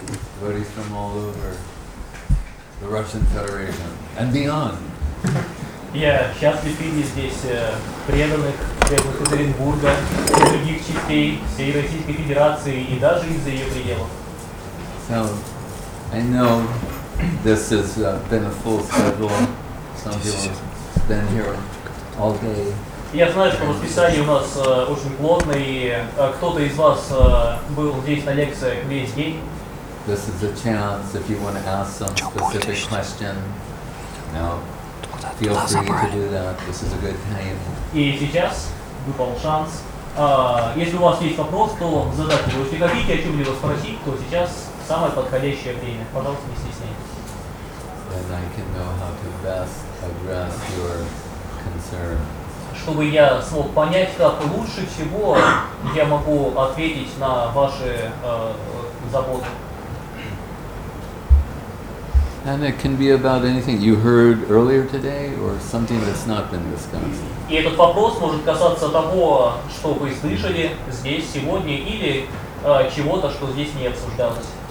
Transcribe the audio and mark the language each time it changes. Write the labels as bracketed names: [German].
[English] Devotees from all over the Russian Federation and beyond. [Russian] Yeah, счастлив видеть здесь преданных Екатеринбурга, других частей всей Российской Федерации и даже из-за ее пределов. [English] So, I know this has been a full schedule. Some people have been here all day. [Russian] Я знаю, что расписание у нас очень плотное, и кто-то из вас был здесь на лекциях весь день. [English] This is a chance, if you want to ask some specific question, now feel free to do that. This is a good time. [Russian] И сейчас выпал шанс. Если у вас есть вопрос, то задайте его. Если хотите о чем-либо спросить, то сейчас самое подходящее время. Пожалуйста, не стесняйтесь. [English] Then I can know how to best address your concern. [Russian] Чтобы я смог понять, как лучше всего я могу ответить на ваши заботы. [English] And it can be about anything you heard earlier today or something that's not been discussed. [Russian] И этот вопрос может касаться того, что вы слышали здесь сегодня, или чего-то, что здесь не обсуждалось.